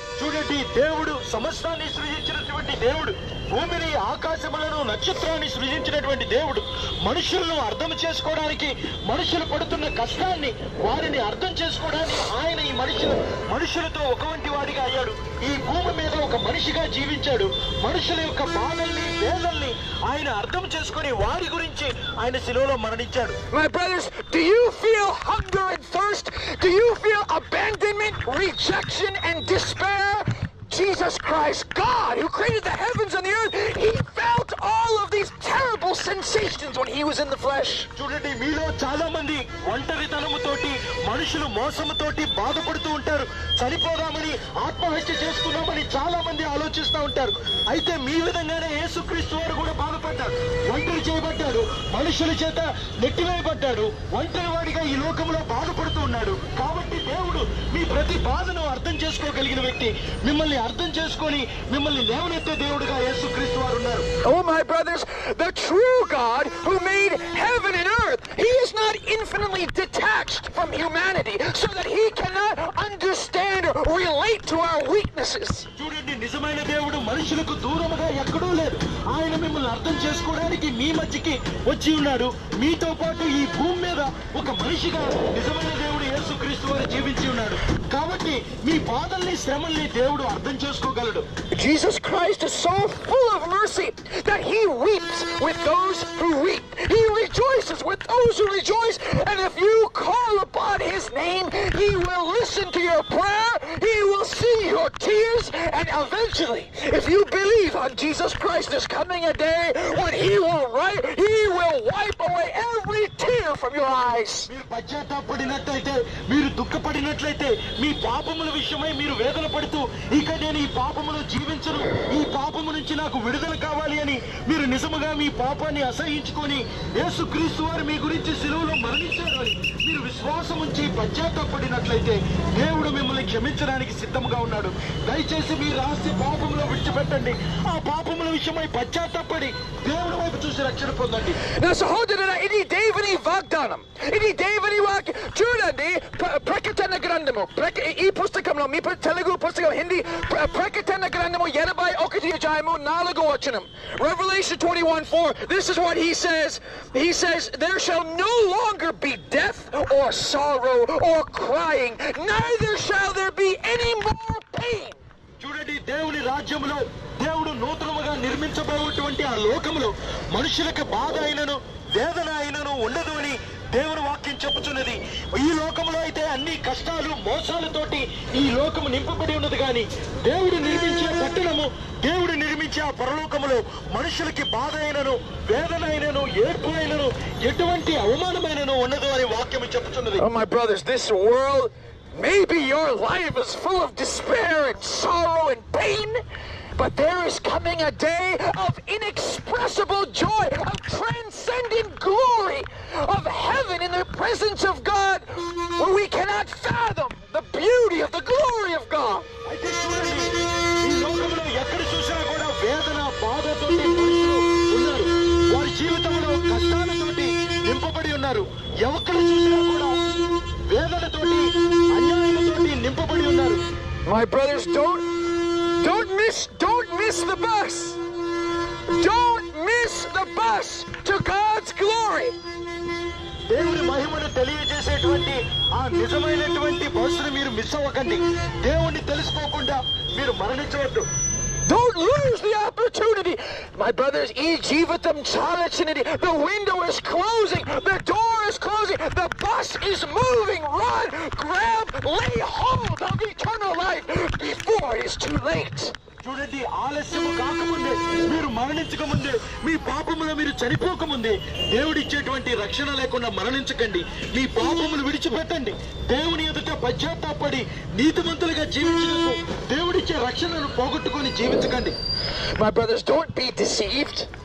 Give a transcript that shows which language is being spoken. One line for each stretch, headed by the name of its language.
Telugu: చూడండి, దేవుడు సమస్తాన్ని సృజించినటువంటి దేవుడు, భూమిని ఆకాశములను నక్షత్రాన్ని సృజించినటువంటి దేవుడు, మనుషులను అర్థం చేసుకోవడానికి మనుషులు పడుతున్న కష్టాన్ని వారిని అర్థం చేసుకోవడానికి ఆయన ఈ మనుషులతో ఒకవంటి వాడిగా అయ్యాడు. ఈ భూమి మీద ఒక మనిషిగా జీవించాడు. మనుషుల యొక్క బాధల్ని వేదల్ని ఆయన అర్థం చేసుకుని వారి గురించి ఆయన సిలువలో మరణించాడు.
English: My brothers, do you feel hunger and thirst? Do you feel abandonment, rejection and despair? Jesus Christ, God, who created the heavens and the earth, he felt all of these terrible sensations when he was in the flesh.
Telugu: చూడండి, మీలో చాలా మంది ఒంటరితనముతోటి, మనుషులు మోసముతోటి బాధపడుతూ ఉంటారు. చనిపోదామని, ఆత్మహత్య చేసుకున్నామని చాలా మంది ఆలోచిస్తూ ఉంటారు. అయితే మీ విధంగానే యేసుక్రీస్తు వారు కూడా బాధపడ్డారు, ఒంటరి చేయబడ్డారు, మనుషుల చేత నెట్టివేయబడ్డారు, ఒంటరి వాడిగా ఈ లోకంలో బాధపడుతూ ఉన్నాడు. కాబట్టి దేవుడు మీ ప్రతి బాధను అర్థం చేసుకోగలిగిన వ్యక్తి, మిమ్మల్ని అర్థం చేసుకొని మిమ్మల్ని లేవనెత్తే దేవుడుగా యేసుక్రీస్తు వారు ఉన్నారు.
English: Oh, my brothers, the true God who made heaven and earth, he is not infinitely detached from humanity so that he cannot understand or relate to our weaknesses.
Telugu: చూడండి, నిజమైన దేవుడు మనుషులకు దూరముగా ఎక్కడో లేదు. ఆయన మిమ్మల్ని అర్థం చేసుకోవడానికి మీ మధ్యకి వచ్చి ఉన్నారు. మీతో పాటు ఈ భూమి మీద ఒక మనిషిగా నిజమైన దేవుడు యేసు క్రీస్తు వారు జీవించి ఉన్నారు. కాబట్టి మీ బాధల్ని శ్రమల్ని దేవుడు అర్థం చేసుకోగలడు.
English: Jesus Christ is so full of mercy that he weeps with those who weep. He rejoices with those who rejoice. And if you call upon his name, he will listen to your prayer. He will see your tears. And eventually, if you believe on Jesus Christ, there's coming a day when he will write, he will wipe away every tear from your eyes.
Telugu: మీరు పశ్చాత్తాపడినట్లయితే, మీరు దుఃఖపడినట్లయితే, మీ పాపముల విషయమై మీరు వేదన పడుతూ, ఇక నేను ఈ పాపములో జీవించను, ఈ పాపము నుంచి నాకు విడుదల కావాలి అని మీరు నిజముగా మీ పాపాన్ని అసహించుకొని యేసు క్రీస్తు వారు మీ గురించి సిలువలో మరణించారు అని మీరు విశ్వాసం ఉంచి పశ్చాత్తాపడినట్లయితే, దేవుడు మిమ్మల్ని క్షమించడానికి సిద్ధంగా ఉన్నాడు. దయచేసి మీ రాసి పాపములో విడిచిపెట్టండి. ఆ పాపముల విషయమై పశ్చాత్తాపడి దేవుడి వైపు చూసి రక్షణ పొందండి. ఇది దేవుని వాగ్దానం, ఇది దేవుని వాక్యం. చూడండి, ప్రకటన గ్రంథము, ఈ పుస్తకంలో, మీ తెలుగు పుస్తకం, హిందీ ప్రకటన గ్రంథము 81:4,
English: Revelation 21:4, this is what he says, there shall no longer be death or sorrow or crying, neither shall there be any more pain.
Telugu: చూడండి, దేవుని రాజ్యములో దేవుడు నూతనముగా నిర్మించబోటువంటి ఆ లోకములో మనుషులకు బాధ అయినను వేదన అయినను ఉండదు అని దేవుని వాక్యం చెప్పుచున్నది. ఈ లోకంలో అయితే అన్ని కష్టాలు మోసాలతోటి ఈ లోకము నింపబడి ఉన్నది, కానీ దేవుడు నిర్మించే పట్టణము, దేవుడు నిర్మించే ఆ పరలోకములో మనుషులకి బాధ అయినను వేదన అయినను ఏడుపు అయినను ఎటువంటి అవమానమైనను ఉండదు అని వాక్యము చెప్పుచున్నది.
English: Oh my brothers, this world, maybe your life is full of despair and sorrow and pain, but there is coming a day of inexpressible joy, of transcendent glory, of heaven in the presence of God, where we cannot fathom the beauty of the glory of God. My brothers, don't miss the bus. Don't miss the bus to God's glory.
Telugu: దేవుని మహిమను తెలియజేసేటువంటి ఆ నిజమైనటువంటి బస్సును మీరు miss అవ్వకండి. దేవుణ్ణి తెలుసుకోకుండా మీరు మరణించవద్దు.
English: Don't lose the opportunity. My brothers,
Telugu: ee jeevitham chalachinadi.
English: The window is closing. The door is closing. The bus is moving. Run, grab, lay hold of eternal life before it is too late.
Telugu: చూడండి, ఆలస్యము కాకముందే, మీరు మరణించక ముందే, మీ పాపములో మీరు చనిపోకముందే, దేవుడు ఇచ్చేటువంటి రక్షణ లేకుండా మరణించకండి. మీ పాపములు విడిచిపెట్టండి. దేవుని ఎదుట పశ్చాత్తాపడి నీతిమంతులుగా జీవించినందుకు దేవుడిచ్చే రక్షణను పోగొట్టుకొని జీవించకండి.
English: My brothers, don't be deceived.